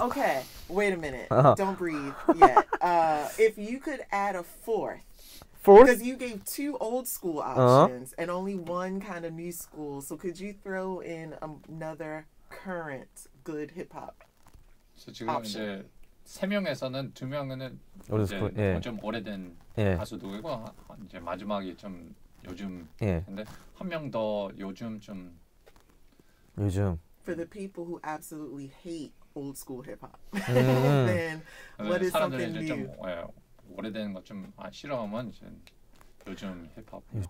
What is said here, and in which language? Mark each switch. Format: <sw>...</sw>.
<en>Okay, wait a minute. Uh-huh. Don't breathe yet. If you could add a fourth? Because you gave two old school options and only one kind of new school. So could you throw in another current good hip hop?</en> <ko>So 지금</ko> <en>option?</en> <ko>이제 세 명에서는 두 명은 old school, 이제 좀 오래된 가수들이고 이제 마지막이 좀 요즘 근데 한 명 더 요즘 좀 요즘</ko> <en>for the people who absolutely hate old school hip hop. Then what is something new?</en> <ko>오래된 것 좀 싫어하면 이제 요즘 힙합.</ko>